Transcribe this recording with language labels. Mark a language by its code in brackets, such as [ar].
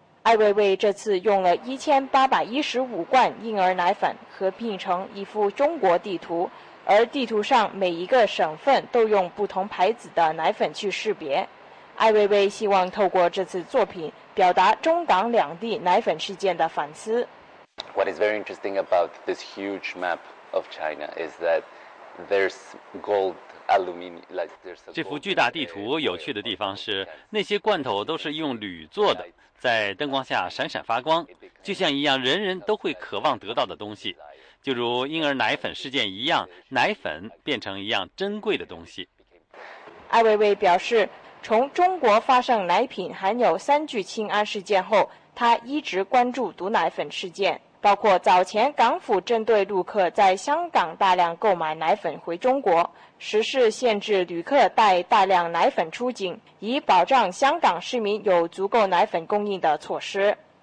[zh] 艾薇薇这次用了1815罐婴儿奶粉合并成一幅中国地图，而地图上每一个省份都用不同牌子的奶粉去识别。艾薇薇希望透过这次作品表达中港两地奶粉事件的反思。 [en] What is very interesting about this huge map of China is that there's gold, aluminum, like there's a [zh] 这幅巨大地图有趣的地方是，那些罐头都是用铝做的，在灯光下闪闪发光，就像一样人人都会渴望得到的东西。就如婴儿奶粉事件一样，奶粉变成一样珍贵的东西。艾薇薇表示，从中国发生奶品含有三聚氰胺事件后，她一直关注毒奶粉事件，包括早前港府针对陆客在香港大量购买奶粉回中国，实施限制旅客带大量奶粉出境，以保障香港市民有足够奶粉供应的措施。